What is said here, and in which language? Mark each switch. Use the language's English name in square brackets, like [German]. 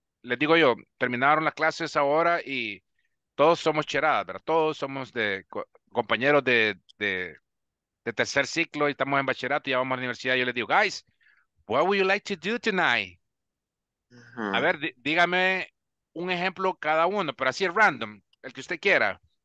[Spanish] Le digo yo, terminaron las clases ahora y todos somos cheradas, ¿verdad? Todos somos de compañeros de tercer ciclo y estamos en bachillerato y ya vamos a la universidad. Yo les digo, [English] guys, what would you like to do tonight? Uh-huh. [Spanish] A ver, dígame un ejemplo cada uno, pero así es random, el que usted quiera.